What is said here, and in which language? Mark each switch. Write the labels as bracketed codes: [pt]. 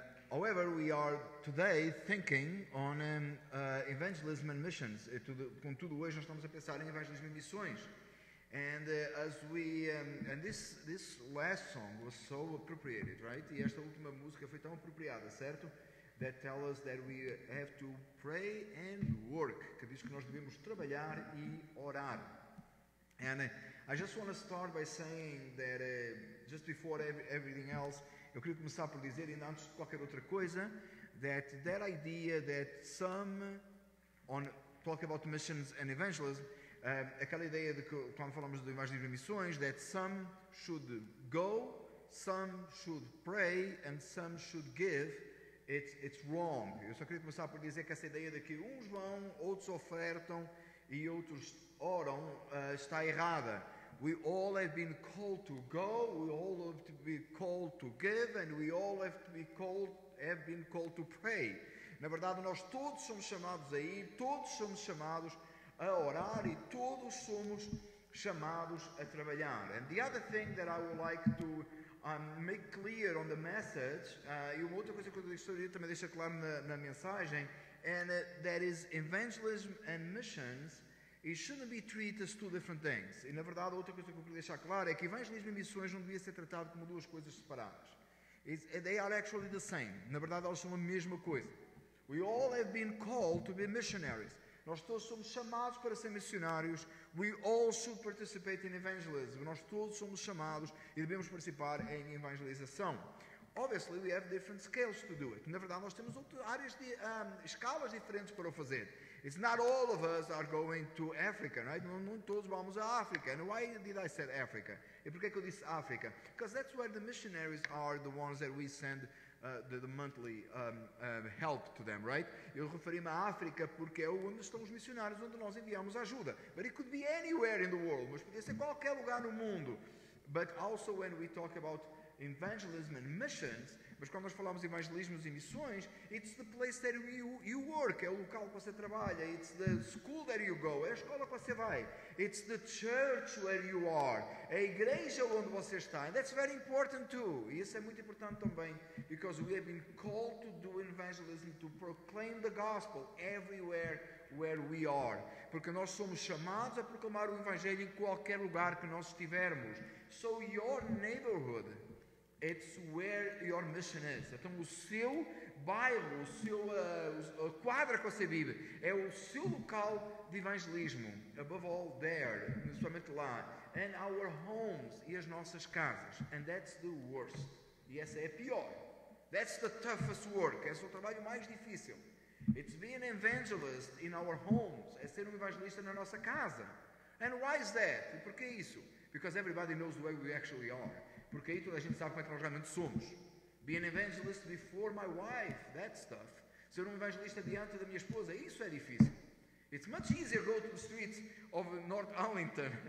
[en] However, we are today thinking on evangelism and missions. [pt] Contudo, hoje nós estamos a pensar em evangelismo e missões. [en] And as we and this last song was so appropriated, right? [pt] E esta última música foi tão apropriada, certo? [en] That tells us that we have to pray and work. [pt] Que diz que nós devemos trabalhar e orar. [en] And I just want to start by saying that just before everything else, [pt] eu queria começar por dizer, ainda antes de qualquer outra coisa, [en] that idea that some on talk about missions and evangelism. [pt] Aquela ideia de que, quando falamos de evangelismo e missões, [en] that some should go, some should pray, and some should give, it's wrong. [pt] Eu só queria começar por dizer que essa ideia de que uns vão, outros ofertam e outros oram, está errada. [en] We all have been called to go, we all have to be called to give, and we all have to be called, have been called to pray. [pt] Na verdade, nós todos somos chamados a ir, todos somos chamados a orar e todos somos chamados a trabalhar. [en] And the other thing that I would like to make clear on the message, [pt] e uma outra coisa que eu gostaria também deixar claro na mensagem, [en] and that is evangelism and missions, it shouldn't be treated as two different things. [pt] E na verdade, outra coisa que eu queria deixar claro é que evangelismo e missões não devia ser tratado como duas coisas separadas. [en] They are actually the same. [pt] Na verdade, elas são a mesma coisa. [en] We all have been called to be missionaries. [pt] Nós todos somos chamados para ser missionários. [en] We all should participate in evangelism. [pt] Nós todos somos chamados e devemos participar em evangelização. [en] Obviously, we have different scales to do it. [pt] Na verdade, nós temos outras áreas de escalas diferentes para o fazer. [en] It's not all of us are going to Africa, right? [pt] Não todos vamos a África. [en] And why did I say Africa? [pt] E por que eu disse África? [en] Because that's where the missionaries are the ones that we send the monthly help to them, right? [pt] Eu referi-me à África porque é onde estão os missionários, onde nós enviamos ajuda. [en] But it could be anywhere in the world. [pt] Mas podia ser qualquer lugar no mundo. [en] But also when we talk about evangelism and missions, [pt] mas quando nós falamos de evangelismos e missões, [en] it's the place that you work, [pt] é o local que você trabalha, [en] it's the school that you go, [pt] é a escola que você vai, [en] it's the church where you are, [pt] é a igreja onde você está, [en] and that's very important too. [pt] E isso é muito importante também, [en] because we have been called to do evangelism, to proclaim the gospel everywhere where we are, [pt] porque nós somos chamados a proclamar o evangelho em qualquer lugar que nós estivermos. [en] So your neighborhood, it's where your mission is. [pt] Então, o seu bairro, o seu a quadra que você vive, é o seu local de evangelismo. [en] Above all, there, [pt] somente lá. [en] And our homes, [pt] e as nossas casas. [en] And that's the worst. [pt] E essa é a pior. [en] That's the toughest work. [pt] Esse é o trabalho mais difícil. [en] It's being an evangelist in our homes. [pt] É ser um evangelista na nossa casa. [en] And why is that? [pt] E por que isso? [en] Because everybody knows the way we actually are. [pt] Porque aí toda a gente sabe como é que nós realmente somos. [en] Be an evangelist before my wife, that stuff. [pt] Ser um evangelista diante da minha esposa, isso é difícil. [en] It's much easier to go to the streets of North Arlington.